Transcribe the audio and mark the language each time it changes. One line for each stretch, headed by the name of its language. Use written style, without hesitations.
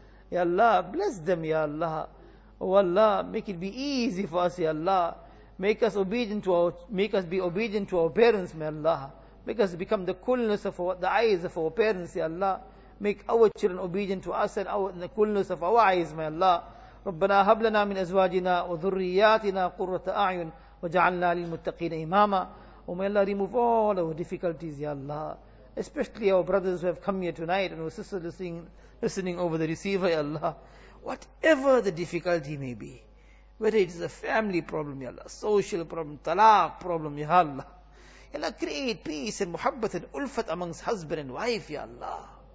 English: Ya Allah, bless them, ya Allah. Oh Allah, make it be easy for us, ya Allah. Make us be obedient to our parents, may Allah. Make us become the coolness of our, the eyes of our parents, ya Allah. Make our children obedient to us and our, the coolness of our eyes, may Allah.
Arabic: ربنا هب لنا من ازواجنا وذرياتنا قرة اعين وجعلنا للمتقين اماما.
English: Oh, may Allah remove all our difficulties, ya Allah. Especially our brothers who have come here tonight and our sisters listening over the receiver, ya Allah. Whatever the difficulty may be, whether it is a family problem, ya Allah, social problem, talaq problem, ya Allah. Ya Allah, create peace and muhabbat and ulfat amongst husband and wife, ya Allah.